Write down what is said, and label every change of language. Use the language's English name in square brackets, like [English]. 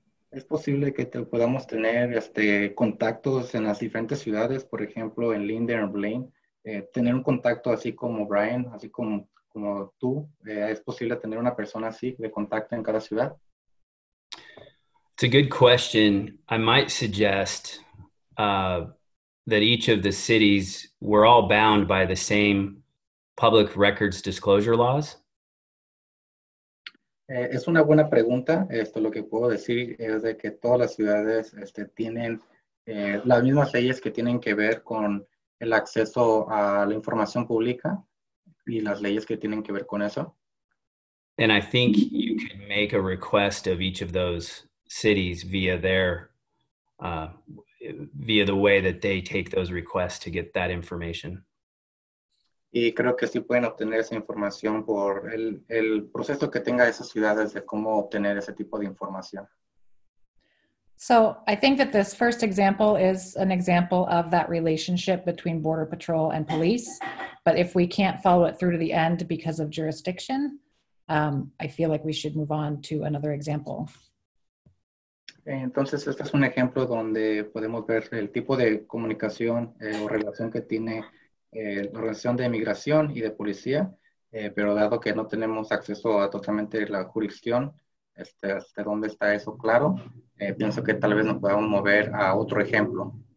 [Spanish] ¿Es posible que te podamos tener contactos en las diferentes ciudades, por ejemplo, en Linden o Blaine? ¿Tener un contacto así como Brian, así como tú? ¿Es posible tener una persona así de contacto en cada ciudad? [English] It's a good question. I might suggest that each of the cities, we're all bound by the same public records disclosure laws? [Spanish] Es una buena pregunta. Esto lo que puedo decir es de que todas las ciudades tienen las mismas leyes que tienen que ver con el acceso a la información pública y las leyes que tienen que ver con eso. [English] And I think you can make a request of each of those cities via their via the way that they take those requests to get that information. [Spanish] Y creo que sí pueden obtener esa información por el proceso que tenga esas ciudades de cómo obtener ese tipo de información. [English] So I think that this first example is an example of that relationship between Border Patrol and police. But if we can't follow it through to the end because of jurisdiction, I feel like we should move on to another example. [Spanish] Entonces, este es un ejemplo donde podemos ver el tipo de comunicación o relación que tiene la organización de migración y de policía, pero dado que no tenemos acceso a totalmente la jurisdicción, hasta dónde está eso claro, pienso que tal vez nos podamos mover a otro ejemplo.